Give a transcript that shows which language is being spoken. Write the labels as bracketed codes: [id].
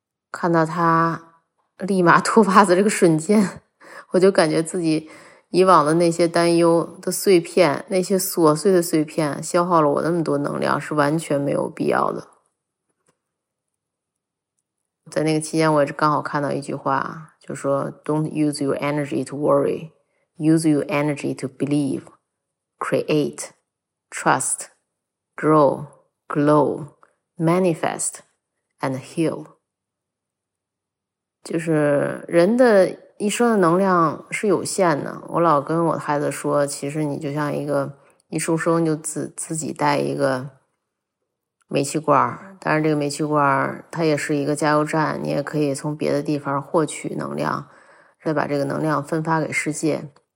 [zh] 看到她立马脱袜子这个瞬间，我就感觉自己以往的那些担忧的碎片，那些琐碎的碎片消耗了我那么多能量是完全没有必要的。在那个期间我也刚好看到一句话，就说 [en] Don't use your energy to worry, use your energy to believe, create, trust, grow, glow, manifest, and heal. [zh] 就是人的一生的能量是有限的。我老跟我孩子说，其实你就像一个一出生就自己带一个煤气罐，但是这个煤气罐它也是一个加油站，你也可以从别的地方获取能量，再把这个能量分发给世界。